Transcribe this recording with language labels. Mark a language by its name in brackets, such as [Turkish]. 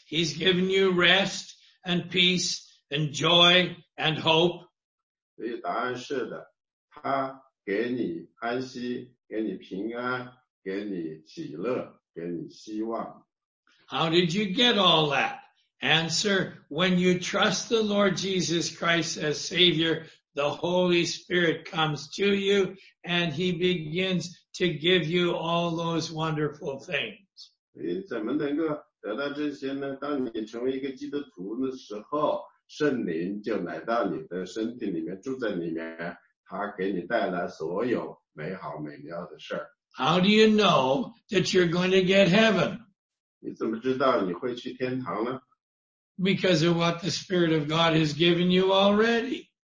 [English] He's given you rest and peace and joy and hope. [Chinese] 所以答案是的，他给你安息，给你平安，给你喜乐，给你希望。 [English] How did you get all that? Answer, when you trust the Lord Jesus Christ as Savior, the Holy Spirit comes to you and He begins to give you all those wonderful things. [Chinese] 你怎么能够得到这些呢？当你成为一个基督徒的时候， 圣灵就来到你的身体里面，住在里面，他给你带来所有美好美妙的事儿。 [English] How do you know that you're going to get heaven? [Chinese] 你怎么知道你会去天堂呢？ [English] Because of what the Spirit of God has given you already.